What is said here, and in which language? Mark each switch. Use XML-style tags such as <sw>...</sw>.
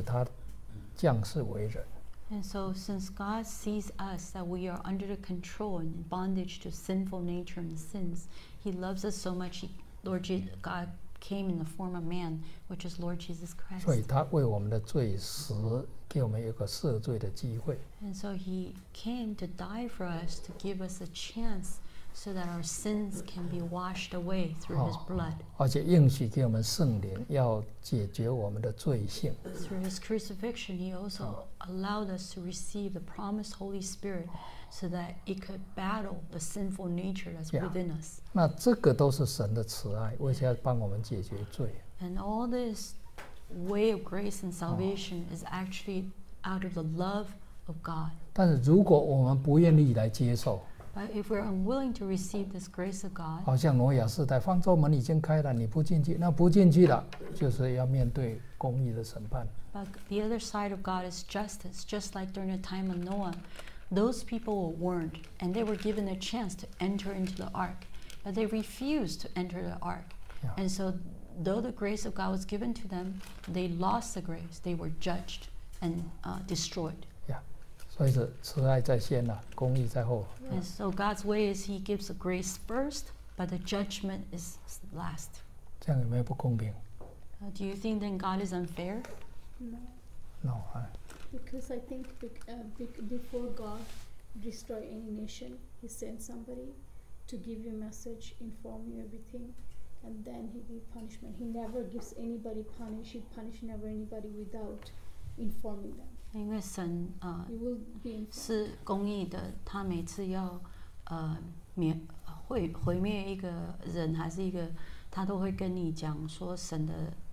<zh>那神看我们活在这个罪性的控制，不断犯罪，所以他很怜悯我们，因此他降世为人。</zh> <en>And so since God sees us that we are under the control and bondage to sinful nature and sins, He loves us so much, God came in the form of man, which is Lord Jesus Christ.</en> <zh>所以他为我们的罪死, 给我们一个赦罪的机会。</zh> <en>And so he came to die for us, to give us a chance so that our sins can be washed away through his blood.</en> <zh>而且应许给我们圣灵, 要解决我们的罪性。</zh> <en>Through his crucifixion, he also allowed us to receive the promised Holy Spirit so that it could battle the sinful nature that's within us.</en> <zh>那这个都是神的慈爱, 为什么要帮我们解决罪?</zh> <en>And all this way of grace and salvation is actually out of the love of God.</en> <zh>但是如果我们不愿意来接受,</zh> <en>But if we're unwilling to receive this grace of God,</en> <zh>好像挪亚世代, 方舟门已经开了, 你不进去, 那不进去了, 就是要面对公义的审判。</zh> <en>But the other side of God is justice, just like during the time of Noah. Those people were warned, and they were given a chance to enter into the ark, but they refused to enter the ark. Yeah. And so, though the grace of God was given to them, they lost the grace. They were judged and destroyed. Yeah.</en> <zh>所以是慈爱在先啊, 公义在后,</zh> <en>yeah. And so, God's way is He gives the grace first, but the judgment is last.</en> <zh>这样有没有不公平?</zh> <en>Do you think then God is unfair? No. No. Because I think before God destroy any nation, He sent somebody to give you a message, inform you everything, and then He give punishment. He never gives anybody punish. He punish never anybody without informing them.</en> <zh>因为神,</zh> <en>you will be</en> <zh>是公义的，他每次要毁灭一个人还是一个，他都会跟你讲说神的。</zh>